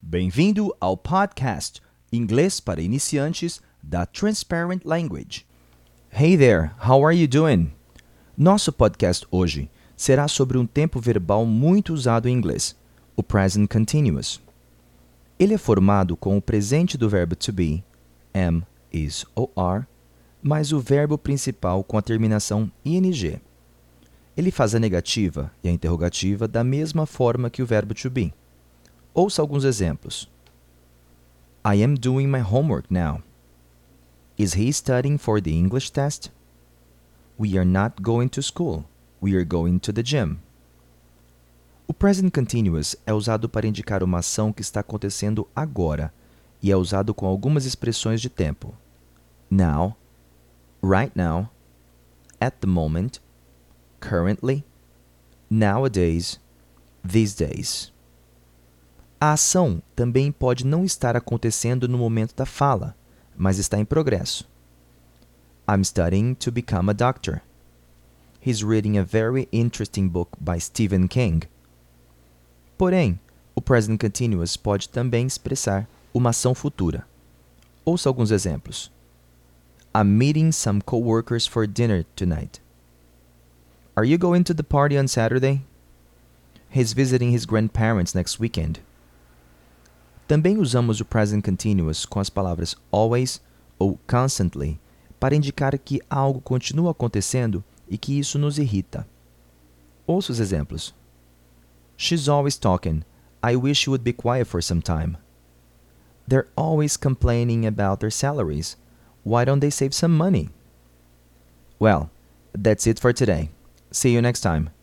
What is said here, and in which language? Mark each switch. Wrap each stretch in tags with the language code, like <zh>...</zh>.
<pt>Bem-vindo ao podcast Inglês para Iniciantes da Transparent Language.</pt> <en>Hey there, how are you doing?</en> <pt>Nosso podcast hoje será sobre um tempo verbal muito usado em inglês, o present continuous. Ele é formado com o presente do verbo to be, am, is ou are, mais o verbo principal com a terminação ing. Ele faz a negativa e a interrogativa da mesma forma que o verbo to be. Ouça alguns exemplos.</pt> <en>I am doing my homework now. Is he studying for the English test? We are not going to school. We are going to the gym.</en> <pt>O present continuous é usado para indicar uma ação que está acontecendo agora e é usado com algumas expressões de tempo.</pt> <en>Now, right now, at the moment, currently, nowadays, these days.</en> <pt>A ação também pode não estar acontecendo no momento da fala, mas está em progresso.</pt> <en>I'm studying to become a doctor. He's reading a very interesting book by Stephen King.</en> <pt>Porém, o present continuous pode também expressar uma ação futura. Ouça alguns exemplos.</pt> <en>I'm meeting some coworkers for dinner tonight. Are you going to the party on Saturday? He's visiting his grandparents next weekend.</en> <pt>Também usamos o present continuous com as palavras always ou constantly para indicar que algo continua acontecendo e que isso nos irrita. Ouça os exemplos.</pt> <en>She's always talking. I wish you would be quiet for some time. They're always complaining about their salaries. Why don't they save some money? Well, that's it for today. See you next time.</en>